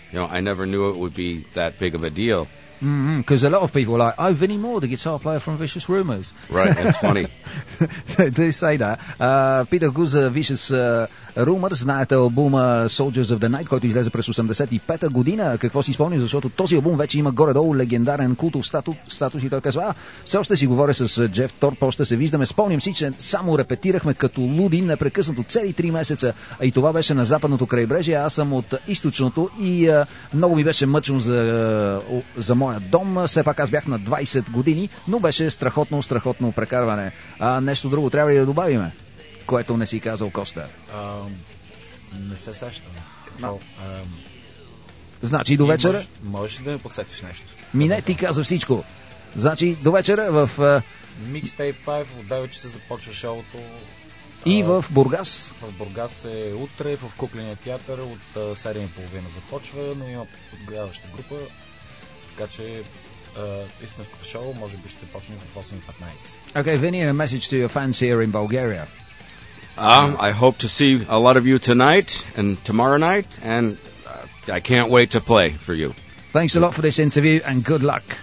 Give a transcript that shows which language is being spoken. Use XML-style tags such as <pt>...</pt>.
<en>You know, I never knew it would be that big of a deal. Because a lot of people are like, oh, Vinnie Moore, the guitar player from Vicious Rumours. Right, that's funny. They do say that.</en> <bg>Peter Guza, Vicious Rumours, знаете албума Soldiers of the Night, който излезе през 85-та година. Какво си спомни? Защото този албум вече има горе-долу легендарен култов статус и той казва, все още си говоря с Джеф Торп, още се виждаме. Спомням си, че само репетирахме като луди непрекъснато цели 3 месеца, а и това беше на западното крайбрежие, аз съм от източното и много ми беше мъчно за моя дом. Все пак аз бях на 20 години, но беше страхотно, страхотно прекарване. Нещо друго трябва ли да добавим, което не си казал, Коста? Не се сещам. Значи до вечера... Можеш да ми подсетиш нещо. Мине, ти каза всичко. Значи до вечера в... Mixtape 5, от 9 часа започва шоуто. И в Бургас? В Бургас е утре, в Кукления театър от 7:30 започва, но има подгряваща група. Така че истинското шоу може би ще почне в 8:15.</bg> <en>Okay, Vinnie, a message to your fans here in Bulgaria. I hope to see a lot of you tonight and tomorrow night, and I can't wait to play for you. Thanks a lot for this interview, and good luck.</en>